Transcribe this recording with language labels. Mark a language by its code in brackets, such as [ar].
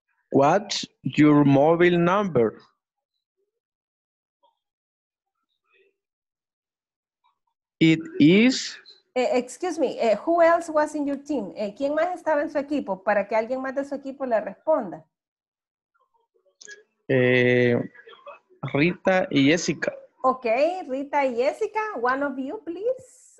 [en] What's your mobile number? It is... Excuse me, who else was in your team? [es] ¿Quién más estaba en su equipo? Para que alguien más de su equipo le responda. Rita y Jessica. [en] Ok, Rita y Jessica, one of you, please.